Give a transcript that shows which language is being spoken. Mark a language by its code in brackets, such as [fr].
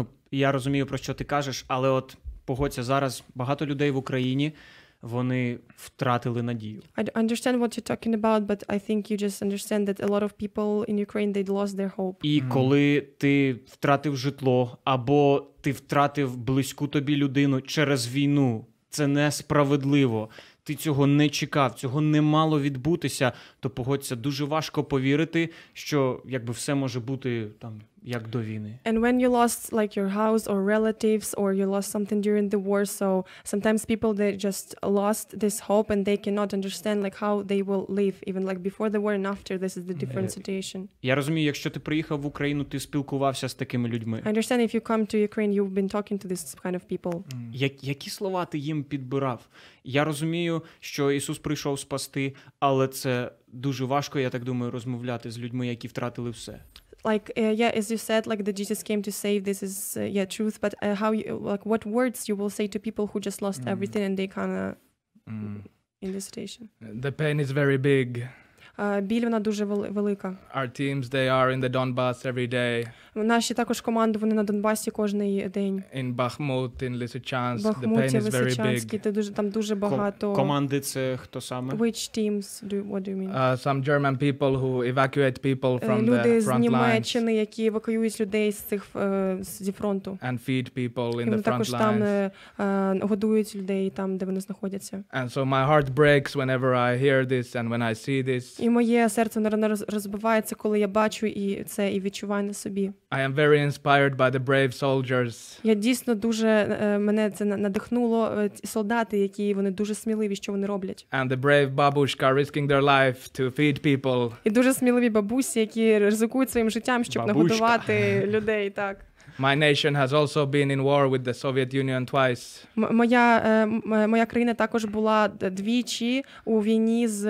[uk] Я розумію, про що ти кажеш, але от погодься, зараз багато людей в Україні, вони втратили надію. [en] I understand what you're talking about, but I think you just understand that a lot of people in Ukraine they lost their hope. [uk] І коли ти втратив житло або ти втратив близьку тобі людину через війну, це несправедливо. Ти цього не чекав, цього не мало відбутися, то погодься, дуже важко повірити, що якби все може бути там як до війни. [en] And when you lost like your house or relatives or you lost something during the war, so sometimes people they just lost this hope and they cannot understand like how they will live even like before the war and after, this is the different situation. [uk] Я розумію, якщо ти приїхав в Україну, ти спілкувався з такими людьми. [en] I understand if you come to Ukraine, you've been talking to this kind of people. [uk] Які слова ти їм підбирав? Я розумію, що Ісус прийшов спасти, але це дуже важко, я так думаю, розмовляти з людьми, які втратили все. [en] Like as you said, like that Jesus came to save. This is truth. But how you, like what words you will say to people who just lost everything and they kinda in this situation? The pain is very big. [uk] Біль вона дуже велика. [en] Our teams, they are in the Donbas every day. [uk] Наші також команди, вони на Донбасі кожний день. [en] In Bakhmut, in Lysychansk, Bakhmut, the pain is very big. [uk] Там дуже багато. Команди це хто саме? [en] Which teams do, what do you mean? Some German people who evacuate people from the front lines. [uk] Люди з Німеччини, які евакуюють людей з цих зі фронту. [en] And feed people in the front lines. [uk] Також там годують людей там, де вони знаходяться. [en] And so my heart breaks whenever I hear this and when I see this. [uk] І моє серце розбивається, коли я бачу і це і відчуваю на собі. [en] I am very inspired by the brave soldiers. [uk] Я дійсно дуже мене це надихнуло солдати, які вони дуже сміливі, що вони роблять. [en] And the brave babushka risking their life to feed people. [uk] І дуже сміливі бабусі, які ризикують своїм життям, щоб нагодувати людей, так. [en] My nation has also been in war with the Soviet Union twice. [uk] Моя країна також була двічі у війні